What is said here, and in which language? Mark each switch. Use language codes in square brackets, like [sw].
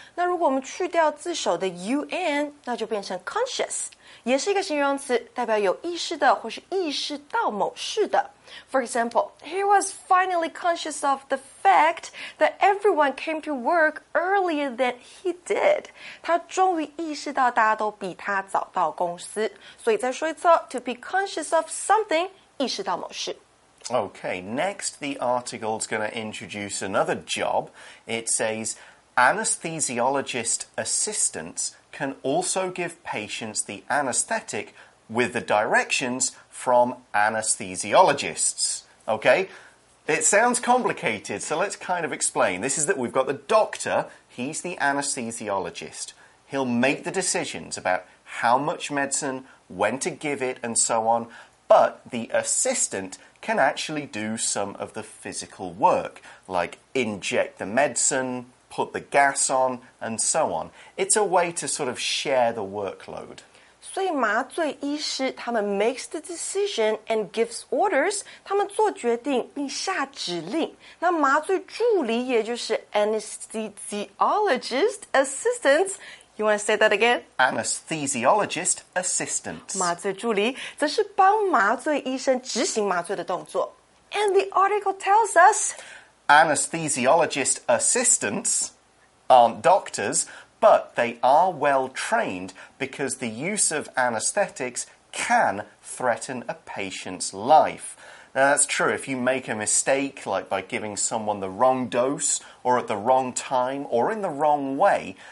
[zh] 那如果我们去掉字首的 un， 那就变成 conscious， 也是一个形容词，代表有意识的或是意识到某事的。 [en] For example, he was finally conscious of the fact that everyone came to work earlier than he did. [zh] 他终于意识到大家都比他早到公司。所以再说一次 ， [en] to be conscious of something， [zh] 意识到某事。 [en] Okay, next the article's going to introduce another job. It says, anesthesiologist assistants can also give patients the anesthetic with the directions from anesthesiologists. Okay, it sounds complicated, so let's kind of explain. This is that we've got the doctor, he's the anesthesiologist. He'll make the decisions about how much medicine, when to give it, and so on, but the assistant... can actually do some of the physical work, like inject the medicine, put the gas on, and so on. It's a way to sort of share the workload. [zh] 所以麻醉医师他们 [en] makes the decision and gives orders, [zh] 他们做决定并下指令。那麻醉助理也就是 [en] anesthesiologist assistants,You want to say that again? Anesthesiologist assistant. [zh] 麻醉助理则是帮麻醉医生执行麻醉的动作。 [en] And the article tells us... Anesthesiologist assistants aren't doctors, but they are well-trained because the use of anesthetics can threaten a patient's life. Now, that's true. If you make a mistake, like by giving someone the wrong dose, or at the wrong time, or in the wrong way...